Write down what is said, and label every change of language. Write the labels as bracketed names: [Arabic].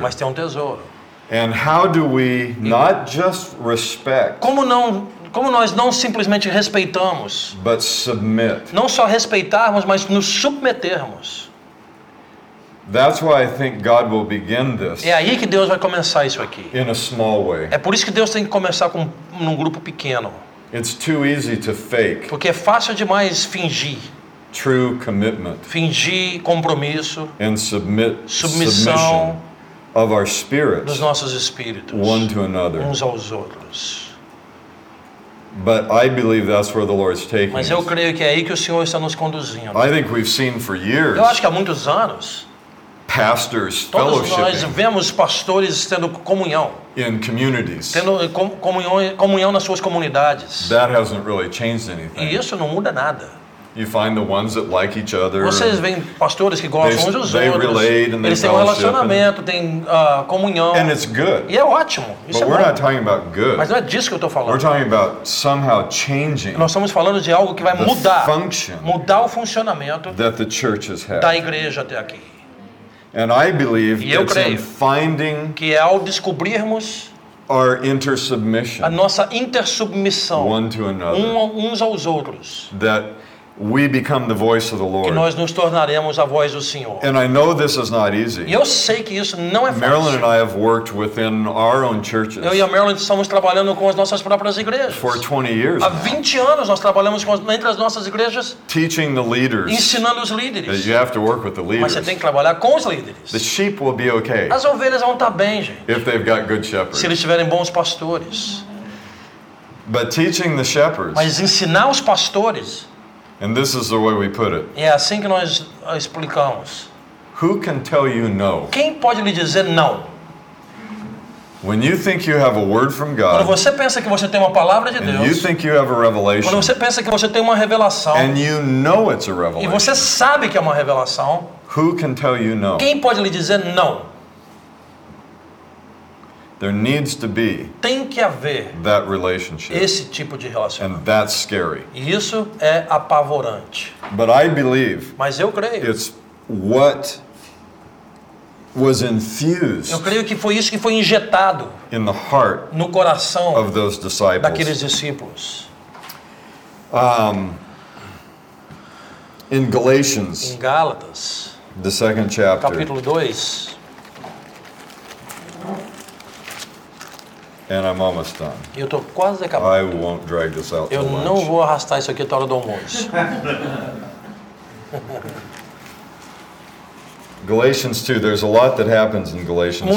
[Portuguese] mas tem um tesouro. [English] And how do we not just respect, [Portuguese] como não Como nós não simplesmente respeitamos, [English] but submit. [Portuguese] Não só respeitarmos, mas nos submetermos. [English] That's why I think God will begin this. [Portuguese] É aí que Deus vai começar isso aqui. [English] In a small way. [Portuguese] É por isso que Deus tem que começar com num grupo pequeno. [English] It's too easy to fake. [Portuguese] Porque é fácil demais fingir. [English] True commitment. [Portuguese] Fingir compromisso. [English] And submit. [Portuguese] Submissão. [English] Of our spirits. [Portuguese] Dos nossos espíritos. [English] One to another. [Portuguese] Uns aos outros. [English] But I believe that's where the Lord's taking us. [Portuguese] Mas eu creio que é aí que o Senhor está nos conduzindo. [English] I think we've seen for years. [Portuguese] Eu acho que há muitos anos. [English] Pastors, [Portuguese] todos nós vemos pastores tendo comunhão. [English] In communities. [Portuguese] Tendo comunhão nas suas comunidades. [English] That hasn't really changed anything. [Portuguese] E isso não muda nada. [English] You find the ones that like each other. [Portuguese] Vocês veem pastores que gostam uns dos outros. [English] They relate and they fellowship. [Portuguese] Eles têm relacionamento, têm comunhão. [English] And it's good. [Portuguese] E é ótimo. Isso [English] But [Portuguese] é [English] we're [Portuguese] bom. [English] Not talking about good. [Portuguese] Mas não é disso que eu estou falando. [English] We're talking about somehow changing. [Portuguese] Nós estamos falando de algo que vai mudar. [English] Function. [Portuguese] Mudar o funcionamento. [English] That the church has had. [Portuguese] Da igreja até aqui. [English] And I believe [Portuguese] e eu [English] it's [Portuguese] creio [English] in finding [Portuguese] que é ao descobrirmos [English] our intersubmission [Portuguese] a nossa intersubmissão [English] one to another, [Portuguese] uns aos outros [English] that we become the voice of the Lord. [Portuguese] Que nós nos tornaremos a voz do Senhor. [English] And I know this is not easy. [Portuguese] E eu sei que isso não é fácil. [English] Marilyn and I have worked within our own churches. [Portuguese] Eu e a Marilyn estamos trabalhando com as nossas próprias igrejas. [English] For 20 years. [Portuguese] Há 20 anos nós trabalhamos entre as nossas igrejas. [English] Teaching the leaders. [Portuguese] Ensinando os líderes. [English] That you have to work with the leaders. [Portuguese] Mas você tem que trabalhar com os líderes. [English] The sheep will be okay. [Portuguese] As ovelhas vão estar bem, gente. [English] If they've got good shepherds. [Portuguese] Se eles tiverem bons pastores. [English] But teaching the shepherds. [Portuguese] Mas ensinar os pastores. [English] And this is the way we put it. [Portuguese] É assim que nós explicamos. [English] Who can tell you no? [Portuguese] Quem pode lhe dizer não? [English] When you think you have a word from God. [Portuguese] Quando você pensa que você tem uma palavra de Deus. [English] And you think you have a revelation. [Portuguese] Quando você pensa que você tem uma revelação. [English] And you know it's a revelation. [Portuguese] E você sabe que é uma revelação. [English] Who can tell you no? [Portuguese] Quem pode lhe dizer não? [English] There needs to be [Portuguese] tem que haver [English] that relationship. [Portuguese] Esse tipo de relacionamento. [English] And that's scary. [Portuguese] E isso é apavorante. [English] But I believe [Portuguese] mas eu creio. [English] It's what was infused [Portuguese] eu creio que foi isso que foi injetado [English] in the heart [Portuguese] no coração [English] of those disciples. [Portuguese] Daqueles discípulos. [English] In Galatians, [Portuguese] em Gálatas, [English] the second chapter, [Portuguese] capítulo 2, [English] and I'm almost done. [Portuguese] Eu tô quase acabando. [English] I won't drag this out. [Portuguese] Eu não vou arrastar isso aqui até a hora do almoço. [English] Galatians 2, there's a lot that happens in Galatians 2.